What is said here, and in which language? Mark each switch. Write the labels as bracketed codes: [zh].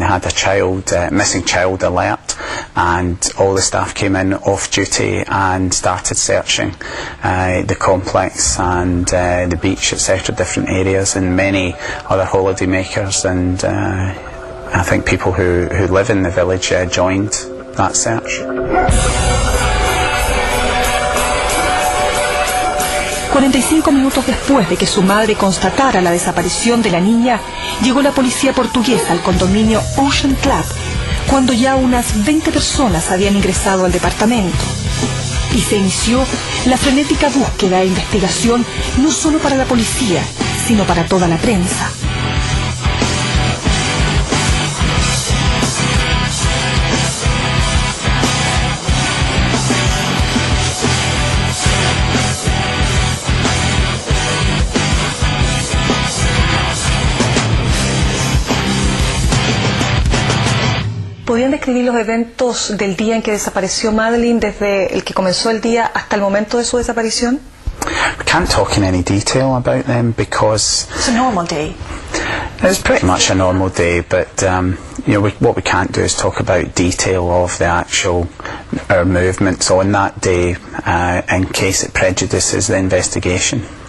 [en] They had a child, missing child alert, and all the staff came in off duty and started searching the complex and the beach, etc., different areas, and many other holidaymakers and I think people who live in the village joined that search. [es] Cuarenta y cinco minutos después de que su madre constatara la desaparición de la niña, llegó la policía portuguesa al condominio Ocean Club, cuando ya unas 20 personas habían ingresado al departamento. Y se inició la frenética búsqueda e investigación, no solo para la policía, sino para toda la prensa. ¿Podrían describir los eventos del día en que desapareció Madeleine, desde el que comenzó el día hasta el momento de su desaparición? [en] We can't talk in any detail about them because it's a normal day. It's pretty much a normal day, but you know, what we can't do is talk about detail of the actual our movements on that day in case it prejudices the investigation.